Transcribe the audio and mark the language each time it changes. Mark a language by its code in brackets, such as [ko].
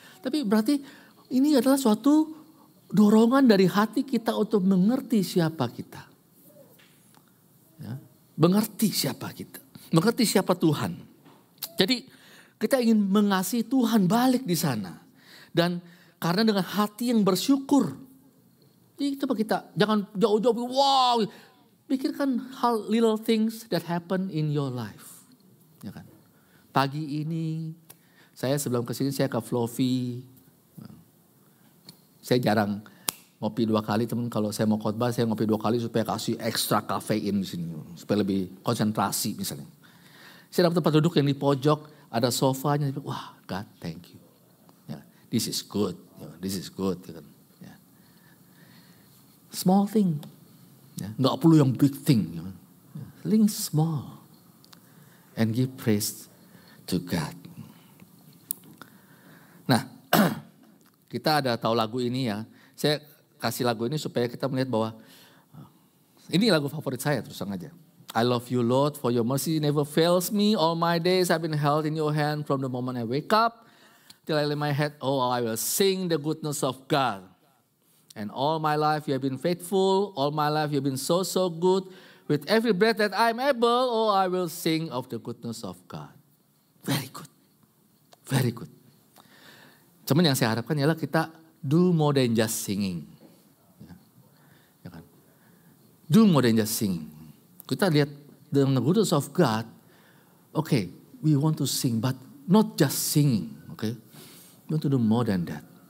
[id] Tapi berarti ini adalah suatu dorongan dari hati kita untuk mengerti siapa kita. Ya. Mengerti siapa kita. Mengerti siapa Tuhan. Jadi kita ingin mengasihi Tuhan balik di sana. Dan karena dengan hati yang bersyukur. Jadi coba kita jangan jauh-jauh. Wow. Pikirkan hal [en] little things that happen in your life. [id] Ya kan? Pagi ini saya sebelum kesini saya ke Fluffy. Saya jarang ngopi dua kali, teman. Kalau saya mau khotbah saya ngopi dua kali supaya kasih ekstra kafein di sini supaya lebih konsentrasi misalnya. Saya dapat tempat duduk yang di pojok, ada sofanya. [en] Wah, God, thank you. Yeah, this is good. Yeah, this is good. Yeah. Small thing. Yeah. [id] Gak perlu yang [en] big thing. You know. Yeah. Things small. And give praise to God. [id] Nah, kita ada tahu lagu ini ya. Saya kasih lagu ini supaya kita melihat bahwa ini lagu favorit saya terus aja. [en] I love you Lord, for your mercy never fails me. All my days I've been held in your hand from the moment I wake up till I lay my head. Oh, I will sing the goodness of God. And all my life you have been faithful. All my life you have been so, so good. With every breath that I'm able, oh, I will sing of the goodness of God. Very good. Very good. [id] Cuman yang saya harapkan ialah kita [en] do more than just singing. [id] Ya kan? [en] Do more than just singing. [id] Kita lihat [en] the goodness of God. Okay, we want to sing, but not just singing. Okay, we want to do more than that.